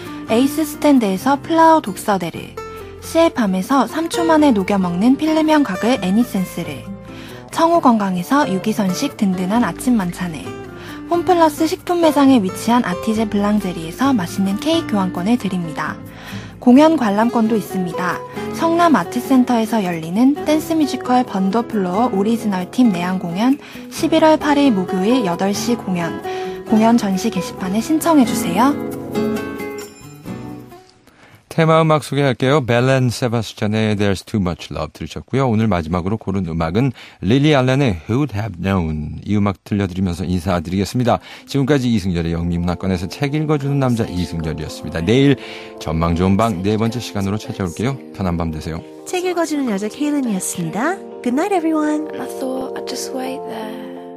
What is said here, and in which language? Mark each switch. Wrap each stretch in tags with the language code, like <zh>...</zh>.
<ko>에이스 스탠드에서 플라워 독서대를, CL팜에서 3초 만에 녹여먹는 필름형 가글 애니센스를, 청우건강에서 유기선식 든든한 아침 만찬을, 홈플러스 식품 매장에 위치한 아티제 블랑제리에서 맛있는 케이크 교환권을 드립니다. 공연 관람권도 있습니다. 성남 아트센터에서 열리는 댄스 뮤지컬 번더플로어 오리지널 팀 내한 공연 11월 8일 목요일 8시 공연. 공연 전시 게시판에 신청해주세요. 테마 음악 소개할게요. 벨렌 세바스찬의 There's Too Much Love 들으셨고요. 오늘 마지막으로 고른 음악은 릴리 알렌의 Who'd Have Known. 이 음악 들려드리면서 인사드리겠습니다. 지금까지 이승열의 영미문학관에서 책 읽어주는 남자 이승열이었습니다. 내일 전망 좋은 방 네 번째 시간으로 찾아올게요. 편한 밤 되세요. 책 읽어주는 여자 케일린이었습니다.</ko> <en>Good night, everyone. And I thought I'd just wait there.</en>